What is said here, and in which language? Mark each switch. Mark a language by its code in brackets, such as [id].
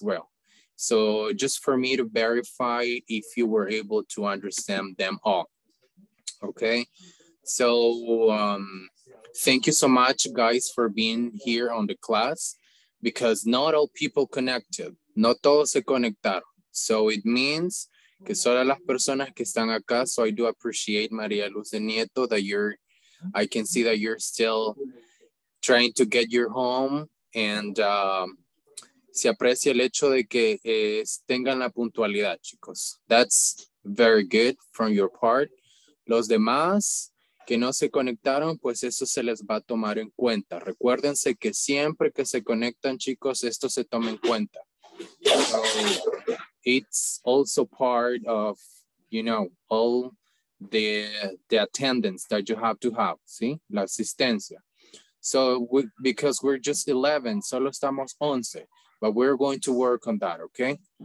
[en] Well, so just for me to verify if you were able to understand them all. Okay, so thank you so much, guys, for being here on the class, because not all people connected. [es] No todos se conectaron. [en] So it means [es] que solo las personas que están acá. [en] So I do appreciate, Maria Luz de Nieto, that you're, I can see that you're still trying to get your home. [es] And se aprecia el hecho de que tengan la puntualidad, chicos. [en] That's very good from your part. [es] Los demás que no se conectaron, pues eso se les va a tomar en cuenta. Recuérdense que siempre que se conectan, chicos, esto se toma en cuenta. [en] So, it's also part of, you know, all the attendance that you have to have, ¿sí? La asistencia. So because we're just 11, [es] solo estamos 11, [en] but we're going to work on that, okay?